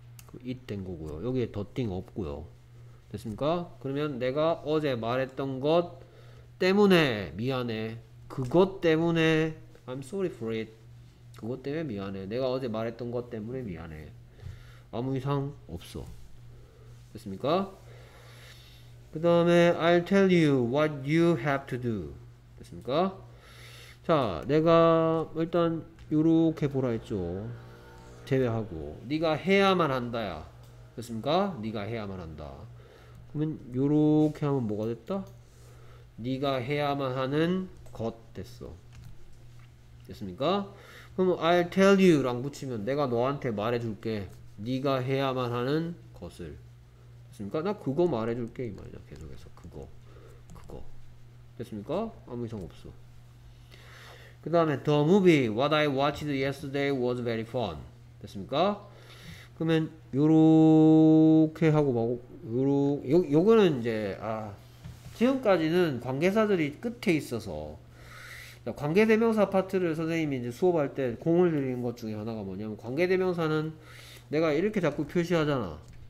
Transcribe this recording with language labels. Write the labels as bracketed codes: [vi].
[ko] 그 it 된 거고요. 여기에 the thing 없고요. 됐습니까? 그러면 내가 어제 말했던 것 때문에 미안해. 그것 때문에 [en] I'm sorry for it. [ko] 그것 때문에 미안해. 내가 어제 말했던 것 때문에 미안해. 아무 이상 없어. 됐습니까? 그 다음에 [en] I'll tell you what you have to do. [ko] 됐습니까? 자, 내가 일단 요렇게 보라 했죠. 제외하고 네가 해야만 한다야. 됐습니까? 네가 해야만 한다. 그러면 요렇게 하면 뭐가 됐다? 네가 해야만 하는 것 됐어. 됐습니까? 그럼 [en] I'll tell you [ko] 랑 붙이면 내가 너한테 말해줄게. 네가 해야만 하는 것을. 됐습니까? 나 그거 말해줄게 이 말이야. 계속해서 그거 됐습니까? 아무 이상 없어. 그 다음에 [en] the movie what I watched yesterday was very fun. [ko] 됐습니까? 그러면 요렇게 하고 막 요거는 이제 아 지금까지는 관계사들이 끝에 있어서 관계대명사 파트를 선생님이 이제 수업할 때 공을 들이는 것 중에 하나가 뭐냐면 관계대명사는 내가 이렇게 자꾸 표시하잖아.